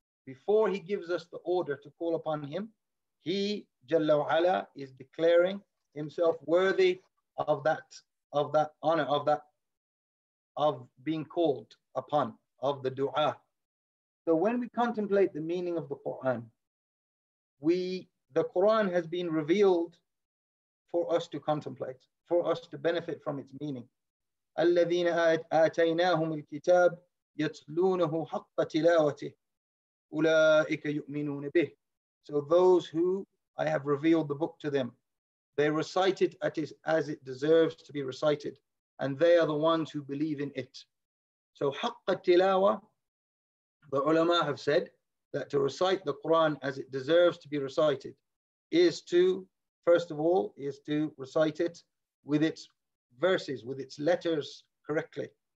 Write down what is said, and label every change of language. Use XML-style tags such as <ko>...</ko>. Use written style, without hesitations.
<en>Before he gives us the order to call upon him, he,</en> <ar>Jalla wa Ala,</ar> <en>is declaring himself worthy of that honor, of being called upon, of the dua. So when we contemplate the meaning of the Quran, the Quran has been revealed for us to contemplate, for us to benefit from its meaning.</en> <ar>الذين آتيناهم الكتاب يتلونه حق تلاوته أولئك يؤمنون به.</ar> <en>So those who I have revealed the book to them, they recite it as it deserves to be recited, and they are the ones who believe in it. So</en> <ar>حق التلاوة,</ar> <en>the ulama have said that to recite the Quran as it deserves to be recited is to, first of all, is to recite it with its verses, with its letters correctly.</en>